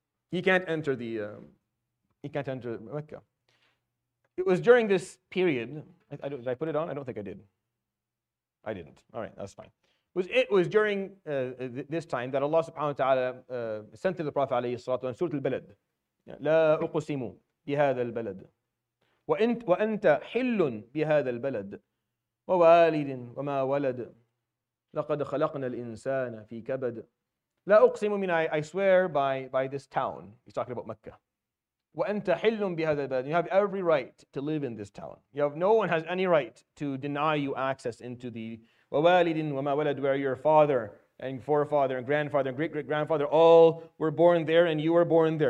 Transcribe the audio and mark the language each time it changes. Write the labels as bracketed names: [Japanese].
[English] He can't enter the he can't enter Mecca. It was during this period. Did I put it on? I don't think I did. I didn't. All right, that's fine. It was during this time that Allah subhanahu wa ta'ala sent to the Prophet alayhi salatu wa sallam, Surah Al-Balad. [Arabic] لا أقسم بهذا البلد وأنت حل بهذا البلد ووالد وما ولد لقد خلقنا الإنسان في كبد. لا أقسم, [English] mean I swear by this town. He's talking about Mecca. [Arabic] وأنت حل بهذا البلد. [English] You have every right to live in this town. You have, no one has any right to deny you access into the [Arabic] وَوَالِدٍ وَمَا وَلَدْ, [English] where your father and forefather and grandfather and great-great-grandfather all were born there and you were born there.